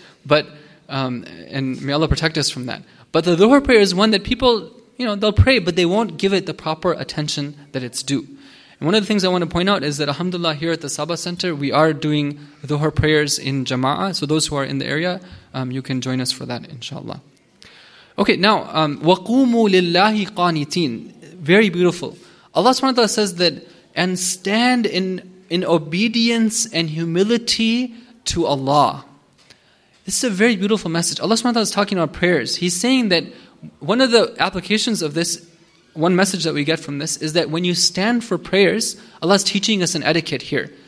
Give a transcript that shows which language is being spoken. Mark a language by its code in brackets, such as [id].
[en] But, and may Allah protect us from that. But the Dhuhr prayer is one that people, they'll pray, but they won't give it the proper attention that it's due. And one of the things I want to point out is that, alhamdulillah, here at the Sabah Center, we are doing Dhuhr prayers in Jama'ah. So those who are in the area, you can join us for that, inshallah. Okay, now, [ar] وَقُومُوا لِلَّهِ قَانِتِينَ. [en] Very beautiful. Allah subhanahu wa ta'ala says that, and stand in obedience and humility to Allah. This is a very beautiful message. Allah subhanahu wa ta'ala is talking about prayers. He's saying that one of the applications of this, one message that we get from this, is that when you stand for prayers, Allah is teaching us an etiquette here.